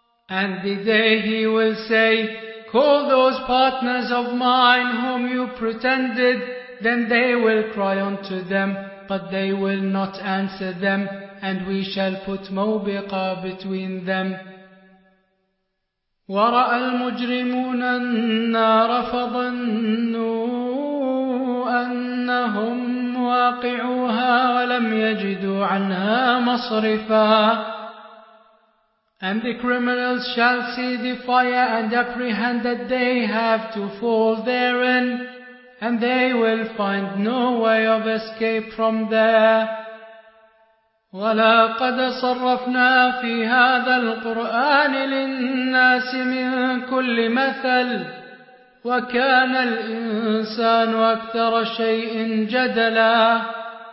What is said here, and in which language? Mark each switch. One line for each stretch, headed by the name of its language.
English: And the day he will say, call those partners of mine whom you pretended, then they will cry unto them, but they will not answer them, and we shall put مَوْبِقًا between them.
Arabic: ورأى المجرمون النار فظنوا أنهم واقعوها ولم يجدوا عنها مصرفا.
English: And the criminals shall see the fire and apprehend that they have to fall therein, and they will find no way of escape from there.
Arabic: وَلَقَدْ صَرَّفْنَا فِي هَذَا الْقُرْآنِ لِلنَّاسِ مِنْ كُلِّ مَثَلٍ وَكَانَ الْإِنسَانُ أَكْثَرَ شَيْءٍ جَدَلًا.